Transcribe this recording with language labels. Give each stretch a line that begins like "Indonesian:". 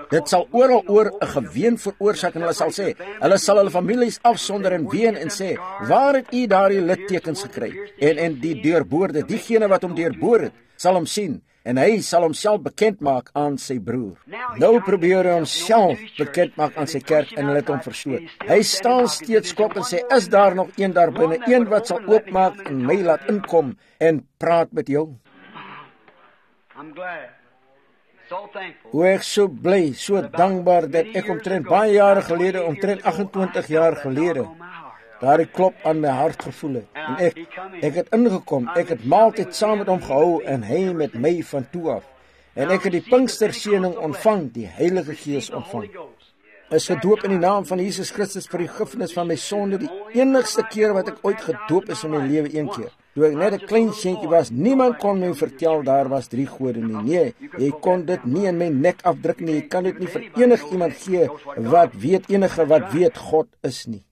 Afrikaans: Dit sal oral oor 'n geween veroorsaak en hulle sal sê, hulle sal hulle families afsonder en ween en sê, waar het u daardie littekens gekry? En die deurboorde, diegene wat hom deurboor het, sal hom sien en hy sal homself bekend maak aan sy broer. Nou probeer hy homself bekend maak aan sy kerk en hulle het hom verstoot. Hy staan steeds kop en sê, is daar nog een daar binne, een wat sal oopmaak en my laat inkom en praat met jou?
English: I'm glad.
Afrikaans: O, ek so bly, so dankbaar, dat ek omtrent baie jare gelede, omtrent 28 jaar gelede, daar die klop aan my hart gevoel het. En ek het ingekom, ek het maaltijd saam met hom gehou, en hy met my van toe af. En ek het die Pinksterseëning ontvang, die Heilige Gees ontvang. Is gedoop in die naam van Jesus Christus vir die vergifnis van my sonde, die enigste keer wat ek ooit gedoop is in my lewe een keer. Toe ek net een klein sientje was, niemand kon my vertel, daar was drie gode nie. Nee, jy kon dit nie in my nek afdruk nie, jy kan dit nie vir enig iemand gee, wat weet, enige wat weet, God is nie.